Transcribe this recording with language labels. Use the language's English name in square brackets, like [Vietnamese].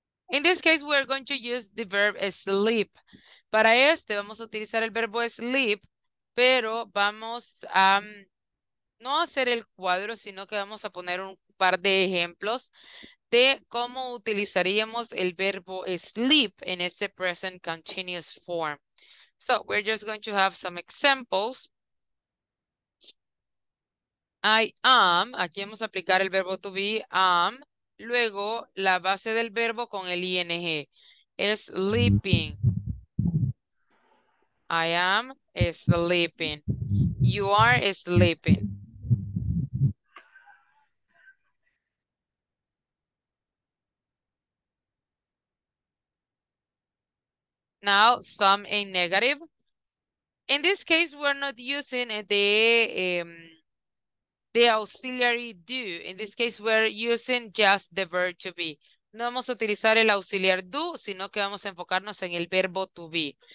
[English] In this case, we're going to use the verb sleep. [Spanish] Para este, vamos a utilizar el verbo sleep. Pero vamos a no hacer el cuadro, sino que vamos a poner un par de ejemplos de cómo utilizaríamos el verbo sleep en este present continuous form. [English] So, we're just going to have some examples. I am, [Spanish] aquí vamos a aplicar el verbo to be, am. Luego, la base del verbo con el ing, sleeping. [English] I am sleeping. You are sleeping. Now, some in negative. In this case, we're not using the auxiliary do. In this case, we're using just the verb to be. [Spanish] No vamos a utilizar el auxiliar do, sino que vamos a enfocarnos en el verbo to be.